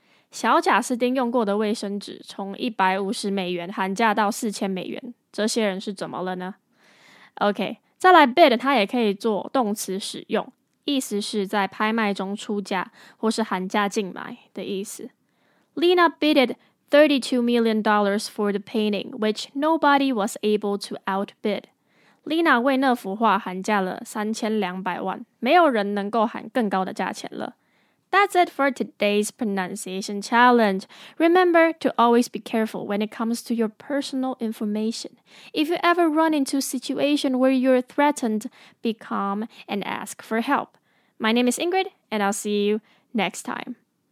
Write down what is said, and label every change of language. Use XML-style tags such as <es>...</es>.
<zh>小贾斯汀用过的卫生纸从150美元喊价到4000美元，这些人是怎么了呢？ OK, 再来 bid 它也可以做动词使用，意思是在拍卖中出价或是喊价竞买的意思。</zh> <en>Lena bidded $32 million for the painting, which nobody was able to outbid.</en> <zh>Lena 为那幅画喊价了3200万，没有人能够喊更高的价钱了。</zh> <en>That's it for today's pronunciation challenge. Remember to always be careful when it comes to your personal information. If you ever run into a situation where you're threatened, be calm and ask for help. My name is Ingrid, and I'll see you next time.</en>